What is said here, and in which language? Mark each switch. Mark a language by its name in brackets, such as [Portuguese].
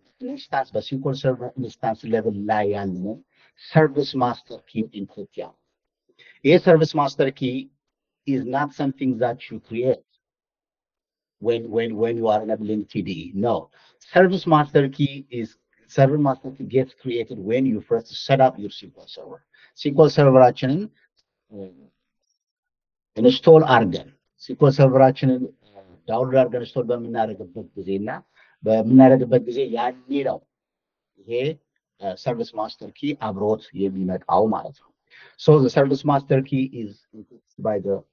[English] instance the SQL server instance level [Amharic] ላይ ያለ [English] service master key encrypt [Amharic] ያ ይህ [English] service master key is not something that you create when you are enabling TDE. No, service master key gets created when you first set up your SQL server. [Amharic] SQL server አችንን install አድርገን SQL server አችንን download አድርገን install በምናደርግበት ጊዜና በምናደርግበት ጊዜ ያኔ ነው ይሄ ሰርቪስ ማስተር ኪ አብሮት የሚመጣው ማለት ነው። [English] ሶ ዘ ሰርቪስ ማስተር ኪ ኢዝ ኢንክሪፕትድ ባይ ዘ